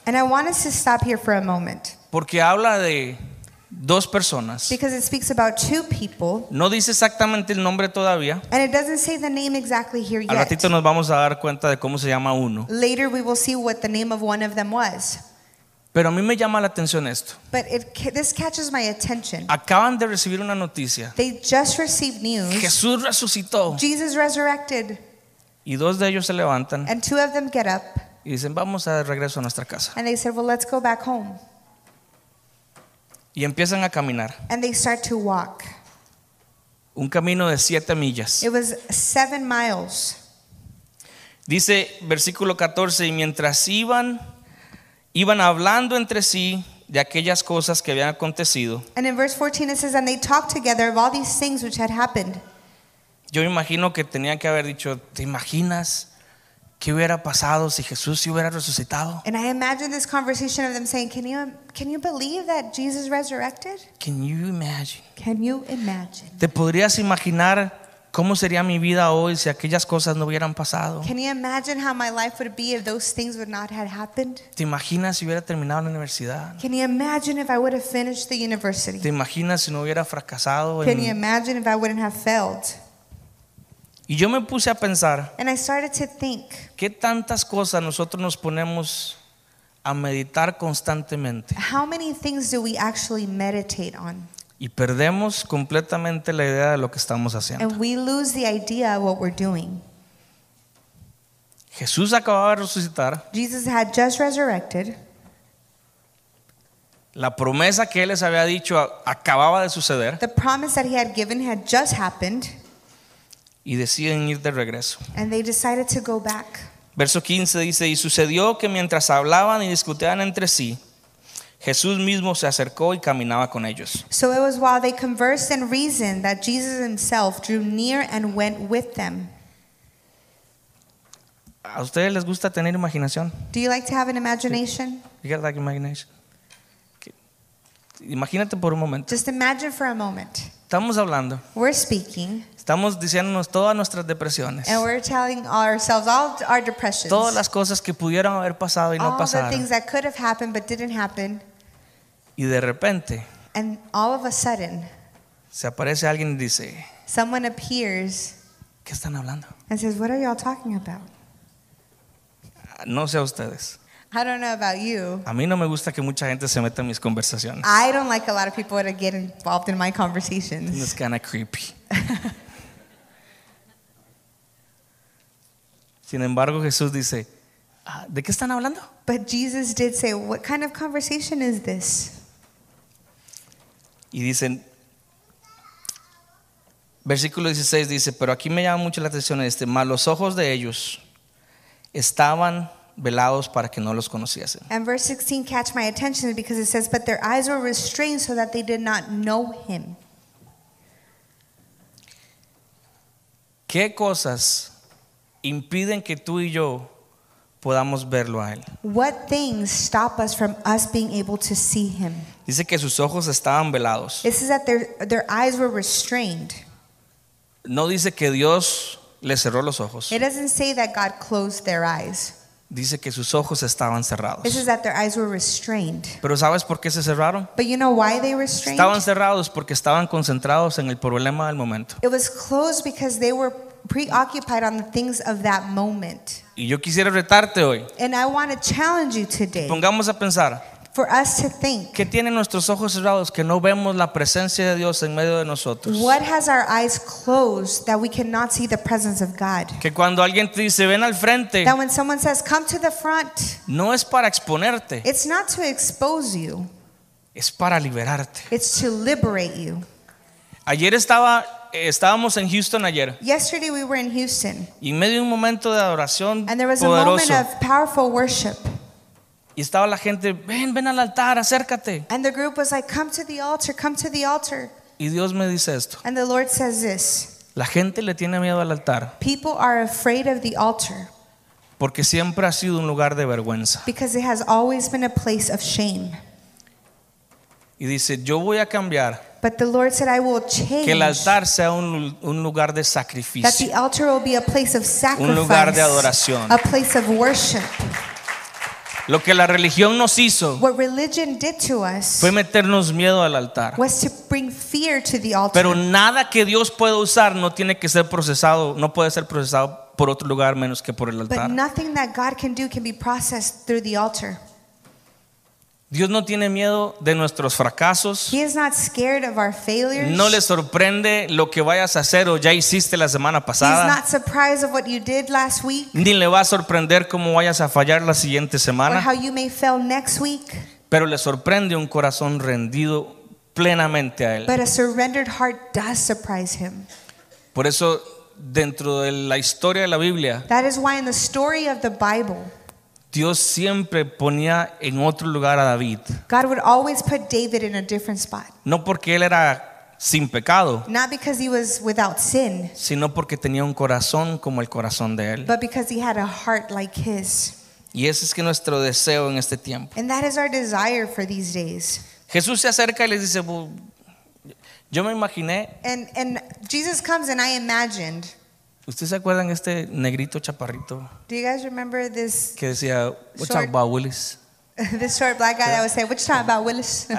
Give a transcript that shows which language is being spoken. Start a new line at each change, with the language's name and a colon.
English: And I want us to stop here for a moment.
Spanish: Porque habla de dos personas.
English: Because it speaks about two people.
Spanish: No dice exactamente el nombre todavía.
English: And it doesn't say the name exactly here yet.
Spanish: Al ratito nos vamos a dar cuenta de cómo se llama uno.
English: Later we will see what the name of one of them was.
Spanish: Pero a mí me llama la atención esto.
English: But this catches my attention.
Spanish: Acaban de recibir una noticia.
English: They just received news.
Spanish: Jesús resucitó.
English: Jesus resurrected.
Spanish: Y dos de ellos se levantan.
English: And two of them get up.
Spanish: Y dicen, vamos a regreso a nuestra casa.
English: And they said, well, let's go back home.
Spanish: Y empiezan a caminar.
English: And they start to walk.
Spanish: Un camino de 7 millas.
English: It was 7 miles.
Spanish: Dice versículo 14, y mientras iban hablando entre sí de aquellas cosas que habían acontecido.
English: And in verse 14 it says, and they talked together of all these things which had happened.
Spanish: Yo me imagino que tenían que haber dicho, ¿te imaginas qué hubiera pasado si Jesús se hubiera resucitado?
English: And I imagine this conversation of them saying, can you believe that Jesus resurrected? Can you imagine?
Spanish: ¿Te podrías imaginar cómo sería mi vida hoy si aquellas cosas no hubieran pasado?
English: Can you imagine how my life would be if those things would not have happened?
Spanish: ¿Te imaginas si hubiera terminado la universidad?
English: Can you imagine if I would have finished the university?
Spanish: ¿Te imaginas si no hubiera fracasado?
English: Can you imagine if I wouldn't have failed?
Spanish: Y Y yo me puse a pensar,
English: and I started to think,
Spanish: ¿qué tantas cosas nosotros nos ponemos a meditar constantemente?
English: How many things do we actually meditate on?
Spanish: Y perdemos completamente la idea de lo que estamos haciendo.
English: And we lose the idea of what we're doing.
Spanish: Jesús acababa de resucitar.
English: Jesus had just resurrected.
Spanish: La promesa que él les había dicho acababa de suceder.
English: The promise that he had given had just happened.
Spanish: Y deciden ir de regreso.
English: And they decided to go back.
Spanish: Verso 15 dice, y sucedió que mientras hablaban y discutían entre sí, Jesús mismo se acercó y caminaba con ellos.
English: So it was while they conversed and reasoned that Jesus himself drew near and went with them.
Spanish: ¿A ustedes les gusta tener imaginación?
English: Do you like to have an imagination? You got like imagination.
Spanish: Imagínate por un momento.
English: Just imagine for a moment.
Spanish: Estamos hablando.
English: We're speaking.
Spanish: Estamos diciéndonos todas nuestras depresiones.
English: And we're telling ourselves all our depressions.
Spanish: Todas las cosas que pudieron haber pasado y no pasaron.
English: All the things that could have happened but didn't happen.
Spanish: Y de repente.
English: And all of a sudden.
Spanish: Se aparece alguien y dice.
English: Someone appears.
Spanish: ¿Qué están hablando?
English: And says, what are y'all talking about?
Spanish: No sé a ustedes.
English: I don't know about you.
Spanish: A mí no me gusta que mucha gente se meta en mis conversaciones.
English: I don't like a lot of people to get involved in my conversations. It's kind of creepy.
Spanish: Sin embargo, Jesús dice, ¿de qué están hablando?
English: But Jesus did say, what kind of conversation is this?
Spanish: Y dicen, versículo 16 dice, pero aquí me llama mucho la atención este, mas los ojos de ellos estaban velados para que no los conociesen.
English: And verse 16 catch my attention because it says, but their eyes were restrained so that they did not know him.
Spanish: ¿Qué cosas impiden que tú y yo podamos verlo a él?
English: What things stop us from us being able to see him?
Spanish: Dice que sus ojos estaban velados.
English: It says that their eyes were restrained.
Spanish: No dice que Dios les cerró los ojos.
English: It doesn't say that God closed their eyes.
Spanish: Dice que sus ojos estaban cerrados.
English: This is that their eyes were restrained.
Spanish: ¿Pero sabes por qué se cerraron?
English: But you know why they restrained?
Spanish: Estaban cerrados porque estaban concentrados en el problema del momento.
English: It was closed because they were preoccupied on the things of that moment.
Spanish: Y yo quisiera retarte hoy.
English: And I want to challenge you today.
Spanish: Pongamos a pensar.
English: For us to think.
Spanish: ¿Qué tiene nuestros ojos cerrados que no vemos la presencia de Dios en medio de nosotros?
English: What has our eyes closed that we cannot see the presence of God?
Spanish: Que cuando alguien te dice, ven al frente.
English: That when someone says, come to the front.
Spanish: No es para exponerte.
English: It's not to expose you.
Spanish: Es para liberarte.
English: It's to liberate you.
Spanish: Ayer estábamos en Houston ayer.
English: Yesterday we were in Houston.
Spanish: Y en medio de un momento de adoración poderoso.
English: And there was a moment of powerful worship.
Spanish: Y estaba la gente, ven, ven al altar, acércate.
English: And the group was like, come to the altar, come to the altar.
Spanish: Y Dios me dice esto.
English: And the Lord says this.
Spanish: La gente le tiene miedo al altar.
English: People are afraid of the altar.
Spanish: Porque siempre ha sido un lugar de vergüenza.
English: Because it has always been a place of shame.
Spanish: Y dice, yo voy a cambiar.
English: But the Lord said, I will change.
Spanish: Que el altar sea un lugar de sacrificio.
English: That the altar will be a place of sacrifice.
Spanish: Un lugar de adoración.
English: A place of worship.
Spanish: Lo que la religión nos hizo fue meternos miedo al altar. Pero nada que Dios pueda usar no tiene que ser procesado, no puede ser procesado por otro lugar menos que por el altar.
English: But nothing that God can do can be processed through the altar.
Spanish: Dios no tiene miedo de nuestros fracasos.
English: He is not scared of our failures.
Spanish: No le sorprende lo que vayas a hacer o ya hiciste la semana pasada.
English: He's not surprised of what you did last week.
Spanish: Ni le va a sorprender cómo vayas a fallar la siguiente semana.
English: Or how you may fail next week.
Spanish: Pero le sorprende un corazón rendido plenamente a él.
English: But a surrendered heart does surprise him.
Spanish: Por eso, dentro de la historia de la Biblia.
English: That is why in the story of the Bible.
Spanish: Dios siempre ponía en otro lugar a David.
English: God would always put David in a different spot.
Spanish: No porque él era sin pecado.
English: Not because he was without sin.
Spanish: Sino porque tenía un corazón como el corazón de él.
English: But because he had a heart like his.
Spanish: Y ese es que nuestro deseo en este tiempo.
English: And that is our desire for these days.
Spanish: Jesús se acerca y les dice, well, yo me imaginé.
English: And Jesus comes and I imagined.
Spanish: ¿Ustedes se acuerdan este negrito chaparrito?
English: Do you guys remember this?
Spanish: Que decía,
English: what's up about Willis? This short black guy that would say, what's up about Willis?